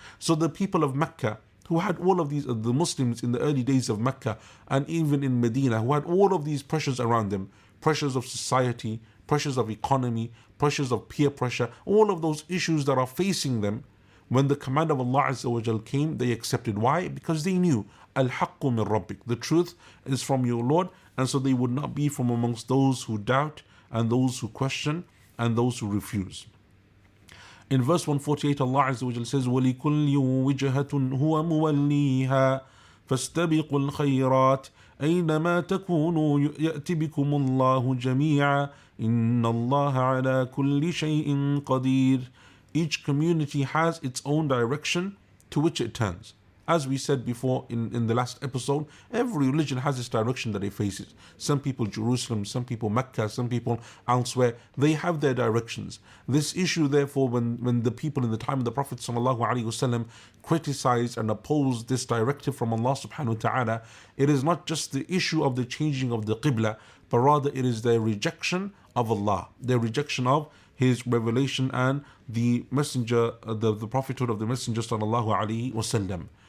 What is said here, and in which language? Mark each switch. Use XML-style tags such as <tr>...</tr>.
<en>So the people of Mecca, who had all of these, the Muslims in the early days of Mecca and even in Medina, who had all of these pressures around them, pressures of society, pressures of economy, pressures of peer pressure, all of those issues that are facing them, when the command of Allah Azza wa Jal came, they accepted. Why? Because they knew,</en> <ar>Al-Haqqu min Rabbik,</ar> <en>the truth is from your Lord, and so they would not be from amongst those who doubt, and those who question, and those who refuse. In verse 148, Allah Azza wa Jal says,</en> <ar>وَلِكُلِّ وِجْهَةٌ هُوَ مُوَلِّيهَا فَاسْتَبِقُوا الْخَيْرَاتِ أينما تكونوا يأتي بكم الله جميعا إن الله على كل شيء قدير.</ar> <en>Each community has its own direction to which it turns. As we said before in the last episode, every religion has its direction that it faces. Some people Jerusalem, some people Mecca, some people elsewhere, they have their directions. This issue, therefore, when the people in the time of the Prophet sallallahu alaihi wasallam criticized and opposed this directive from Allah subhanahu wa ta'ala, it is not just the issue of the changing of the Qibla, but rather it is their rejection of Allah, their rejection of his revelation and the messenger, the prophethood of the messenger sallallahu alaihi wasallam.</en>